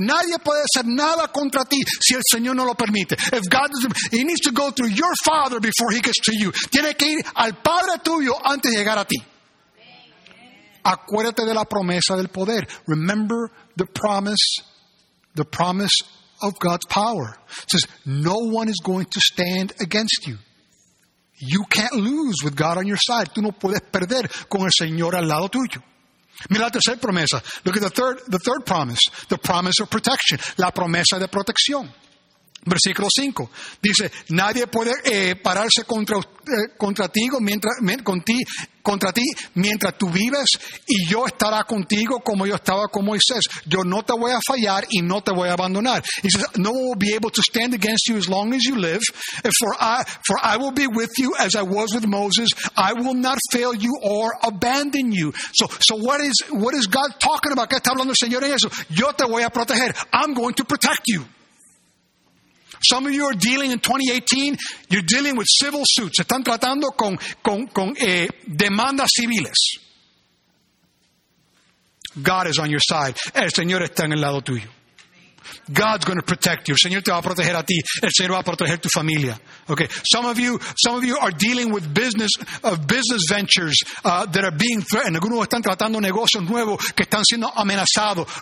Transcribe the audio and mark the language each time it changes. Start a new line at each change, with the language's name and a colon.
Spanish: Nadie puede hacer nada contra ti si el Señor no lo permite.
English: If God doesn't, he needs to go through your father before he gets to you.
Spanish: Tiene que ir al padre tuyo antes de llegar a ti. Acuérdate de la promesa del poder.
English: Remember the promise of God's power. It says, no one is going to stand against you. You can't lose with God on your side.
Spanish: Tú no puedes perder con el Señor al lado tuyo. Mira la tercera promesa.
English: Look at the third promise. The promise of protection.
Spanish: La promesa de protección. Versículo 5. Dice, nadie puede pararse contra ti mientras tú vives, y yo estará contigo como yo estaba con Moisés. Yo no te voy a fallar y no te voy a abandonar.
English: He says, no one will be able to stand against you as long as you live, for I will be with you as I was with Moses. I will not fail you or abandon you. So what is God talking about?
Spanish: ¿Qué está hablando el Señor en eso? Yo te voy a proteger.
English: I'm going to protect you. Some of you are dealing in 2018, you're dealing with civil suits.
Spanish: Se están tratando con demandas civiles.
English: God is on your side.
Spanish: El Señor está en el lado tuyo.
English: God's going to protect you.
Spanish: El Señor te va a proteger a ti. El Señor va a proteger tu familia. Okay.
English: Some of you are dealing with business ventures that are being threatened.
Spanish: Algunos están tratando negocios nuevos que están siendo amenazados.